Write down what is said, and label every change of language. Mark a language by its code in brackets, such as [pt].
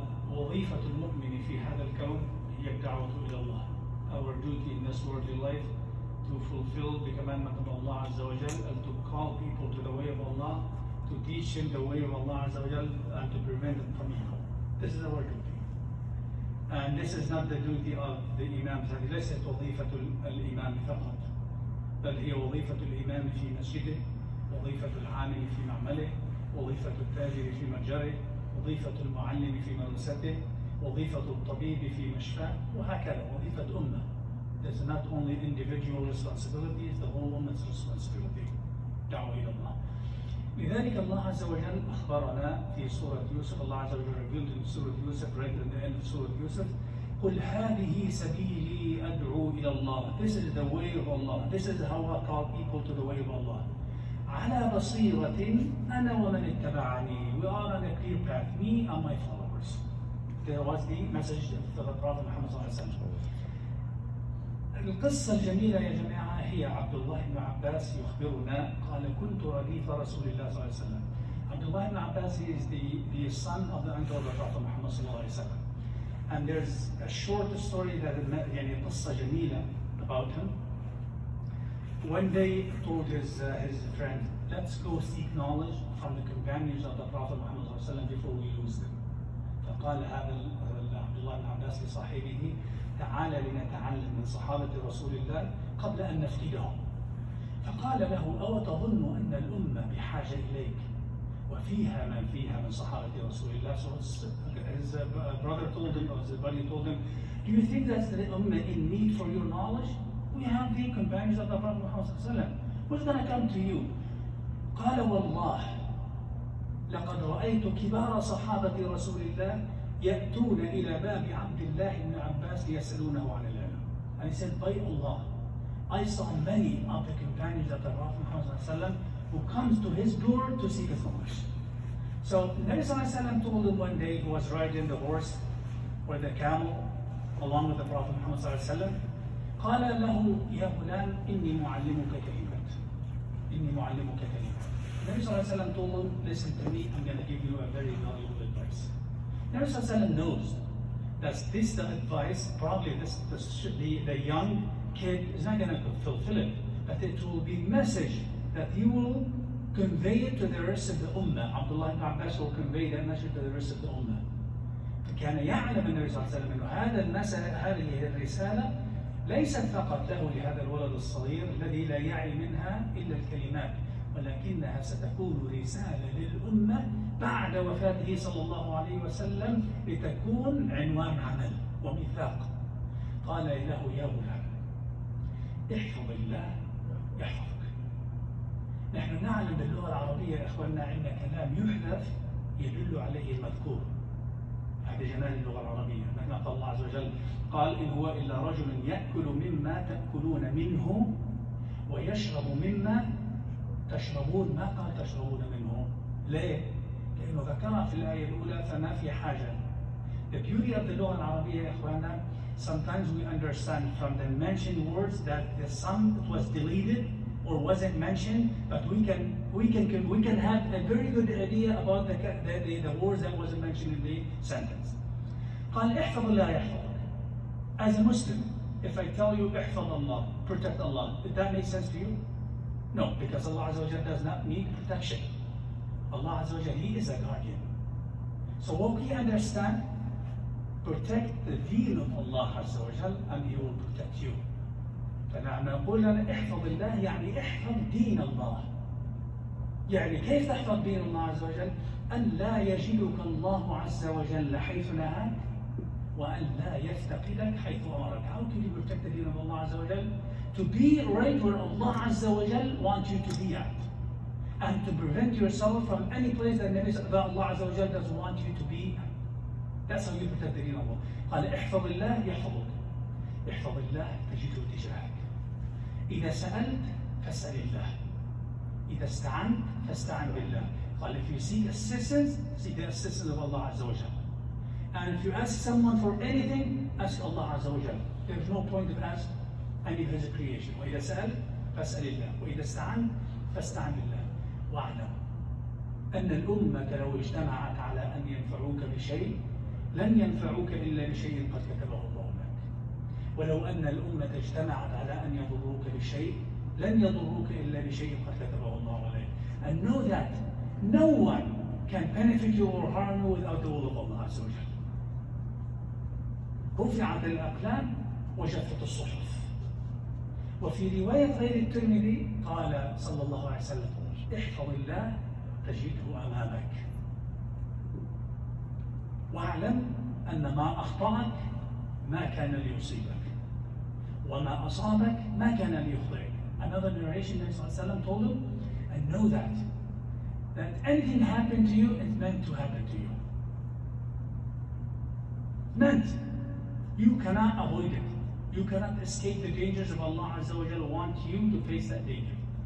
[ar] وظيفه المؤمن في هذا الكون هي الدعوه الى الله. [en] Our duty in this worldly life to fulfill the commandment of Allah Azza wa Jal and to call people to the way of Allah, to teach him the way of Allah Azza wa Jal and to prevent them from evil. This is our duty. And this is not the duty of the Imams. [ar] He ليس وظيفة الإمام فقط. بل هي وظيفة الإمام في مسجده، وظيفة العامل في معمله، وظيفة التاجر في متجره، وظيفة المعلم في مدرسته، وظيفة الطبيب في مشفى، وهكذا وظيفة أمة. [en] It's not only individual responsibility, it's the whole woman's responsibility. [ar] دعوة إلى الله. لذلك الله عز وجل أخبرنا في سورة يوسف، الله عز وجل [en] revealed in [ar] سورة يوسف [en] right at the end of [ar] سورة يوسف، قل هذه سبيلي أدعو إلى الله. [en] This is the way of Allah. This is how I call people to the way of Allah. [ar] على بصيرة أنا ومن اتبعني. [en] We are on a clear path. Me and my followers. That was the message of the Prophet Muhammad صلى الله عليه وسلم. [ar] القصة الجميلة يا جماعة هي عبد الله بن عباس يخبرنا قال كنت رديف رسول الله صلى الله عليه وسلم. [en] عبد الله بن عباس is the son of the uncle of the Prophet Muhammad صلى الله عليه وسلم. And there's a short story that [ar] يعني قصة جميلة [en] about him. One day told his friend, let's go seek knowledge from the companions of the Prophet Muhammad صلى الله عليه وسلم before we lose them. [ar] فقال هذا عبد الله بن عباس لصاحبه تعال لنتعلم من صحابة رسول الله قبل أن نفقدهم. فقال له أو تظن أن الأمة بحاجة إليك وفيها من فيها من صحابة رسول الله. [en] So his brother told him, or his buddy told him, do you think that the ummah in need for your knowledge? We have the companions of the Prophet Muhammad صلى الله عليه وسلم. Who's gonna come to you? [ar] قال والله لقد رأيت كبار صحابة رسول الله يأتون إلى باب عبد الله بن عباس ليسألونه عن العلم. [en] And he said, by Allah, I saw many of the companions of the Prophet Muhammad صلى الله عليه وسلم who comes to his door to seek his knowledge. So, Nabi صلى الله عليه وسلم told him one day, he was riding the horse or the camel along with the Prophet Muhammad صلى الله عليه وسلم. [ar] قال له يا غلام إني معلمك كلمات. إني معلمك كلمات. [en] Nabi صلى الله عليه وسلم told him, listen to me, I'm going to give you a very valuable advice. Nabi صلى الله عليه وسلم knows that this the advice, probably the young kid is not going to fulfill it, but it will be a message that he will convey it to the rest of the ummah. Abdullah ibn Abbas will convey that message to the rest of the ummah. [ar] فكان يعلم النبي صلى الله عليه وسلم أن هذه الرسالة ليست فقط له لهذا الولد الصغير الذي لا يعي منها إلا الكلمات، ولكنها ستكون رسالة للأمة بعد وفاته صلى الله عليه وسلم لتكون عنوان عمل وميثاق. قال له يا غلام احفظ الله يحفظك. نحن نعلم باللغة العربية يا إخواننا عندنا كلام يحذف يدل عليه المذكور، هذا جمال اللغة العربية. مهما قال الله عز وجل، قال إن هو إلا رجل يأكل مما تأكلون منه ويشرب مما تشربون. ما قال تشربون منه، ليه؟ لأنه ذكرها في الآية الأولى فما في حاجة. [en] The beauty of the [ar] لغة العربية يا إخوانا، [en] sometimes we understand from the mentioned words that the some it was deleted or wasn't mentioned, but we can have a very good idea about the words that wasn't mentioned in the sentence. [ar] قال احفظ الله يحفظك. [en] As a Muslim, if I tell you [ar] احفظ الله, [en] protect Allah, did that make sense to you? No, because Allah Azza wa Jalla does not need protection. Allah Azza wa Jalla, He is a guardian. So what we understand, protect the deen of Allah Azza wa Jalla and He will protect you. [ar] فنحن نقول لنا احفظ الله يعني احفظ دين الله. يعني كيف تحفظ دين الله عز وجل؟ أن لا يجدك الله عز وجل حيث نهاك وأن لا يفتقدك حيث أمرك. [en] How can you protect the deen of Allah عز وجل؟ To be right where Allah عز وجل wants you to be at. And to prevent yourself from any place that Allah عز وجل doesn't want you to be at. That's how you protect the deen of Allah. [ar] قال احفظ الله يحفظك. احفظ الله تجده اتجاهك. إذا سألت فاسأل الله. إذا استعنت فاستعن بالله. [en] قال if you see assistance, see the assistance of Allah عز وجل. And if you ask someone for anything, ask Allah عز وجل. There's no point of asking any of His creation. [ar] وإذا سأل فاسأل الله وإذا استعن فاستعن الله. واعلم أن الأمة لو اجتمعت على أن ينفعوك بشيء لن ينفعوك إلا بشيء قد كتبه الله لك. ولو أن الأمة اجتمعت على أن يضروك بشيء لن يضروك إلا بشيء قد كتبه الله عليك. [en] And know that no one can benefit you or harm you without the will of Allah عز وجل. [ar] رفعت الأقلام وجفت الصحف. وفي رواية غير الترمذي قال صلى الله عليه وسلم احفظ الله تجده أمامك. واعلم أن ما أخطأك ما كان ليصيبك وما أصابك ما كان ليخطئك. [en] Another narration that Sallallahu Alaihi Wasallam told him, and know that that anything happened to you is meant to happen to you. Meant. You cannot avoid it. You cannot escape the dangers of Allah Azza wa Jalla want you to face that danger.